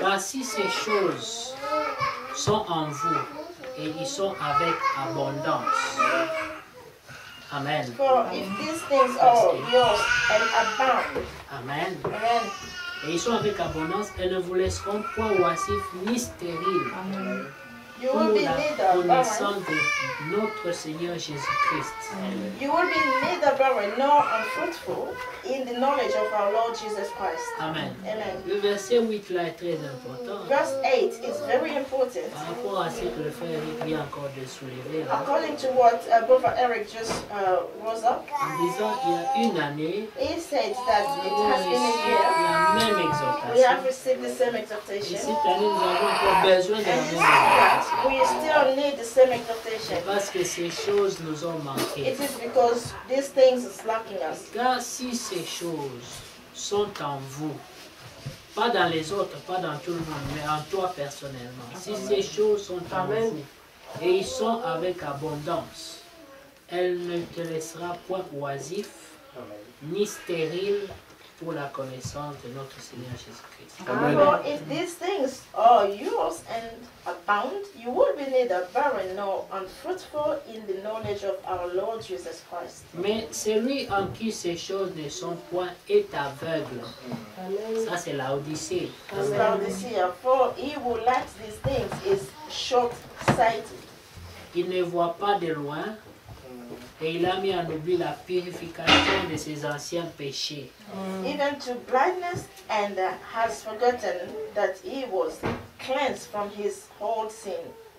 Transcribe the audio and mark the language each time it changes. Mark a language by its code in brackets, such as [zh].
[fr] Car si ces choses sont en vous et ils sont avec abondance. Amen. [en] For if these things are yours and abound. Amen. Amen. [fr] Et ils sont avec abondance, elles ne vous laisseront point oisifs ni stériles. Pour la connaissance de notre Seigneur Jésus-Christ. [en] You will be neither barren nor unfruitful in the knowledge of our Lord Jesus Christ. Amen. Amen. [fr] Le verset 8 là est très important. [en] Verse 8 is very important. [fr] Par rapport à ce que le frère Eric vient encore de soulever. [en] According to what Brother Eric just rose up. [fr] En disant il y a une année. [en] He said that it has been a year. [fr] La même exhortation. [en] We have received the same exhortation. [fr] Et cette année nous avons encore besoin de la même exhortation. [en] We still need the same exhortation. [fr] Parce que ces choses nous ont manqué. [en] It is because these things are lacking us. [fr] Car si ces choses sont en vous, pas dans les autres, pas dans tout le monde, mais en toi personnellement. Si ces choses sont en vous et ils sont avec abondance, elles ne te laisseront point oisif ni stérile. Pour la connaissance de notre Seigneur Jésus-Christ. [en] For if these things are yours and abound, you will be neither barren nor unfruitful in the knowledge of our Lord Jesus Christ. [fr] Mais celui en qui ces choses ne sont point est aveugle. Ça c'est l'Odyssée. [en] For he who lacks these things is short-sighted. [fr] Il ne voit pas de loin. Et il a mis en oubli la purification de ses anciens péchés. [en] Even to blindness and has forgotten that he was cleansed from his old sin.